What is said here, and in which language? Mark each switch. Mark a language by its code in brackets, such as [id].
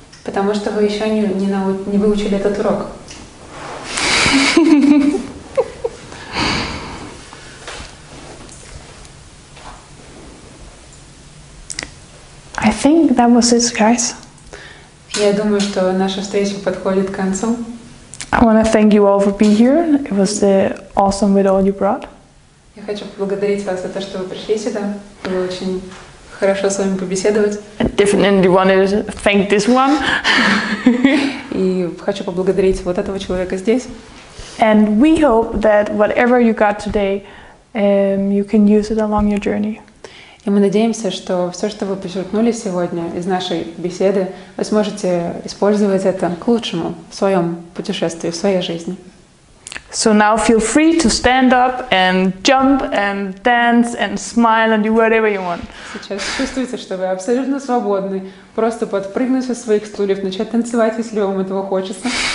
[ru] Потому что вы еще не выучили этот урок. [en] I think that was it, guys. [ru] Я думаю, что наша встреча подходит к концу. [en] I want to thank you all for being here. It was awesome with all you brought. [ru] Я хочу поблагодарить вас за то, что вы пришли сюда. Было очень хорошо с вами побеседовать. [en] I definitely want to thank this one. [ru] И хочу поблагодарить вот этого человека здесь. [en] And we hope that whatever you got today, you can use it along your journey. [ru] И мы надеемся, что все, что вы подчеркнули сегодня из нашей беседы, вы сможете использовать это к лучшему в своем путешествии, в своей жизни. [en] So now feel free to stand up and jump and dance and smile and do whatever you want. [ru] Сейчас чувствуете, что вы абсолютно свободны. Просто подпрыгнуть со своих стульев, начать танцевать, если вам этого хочется.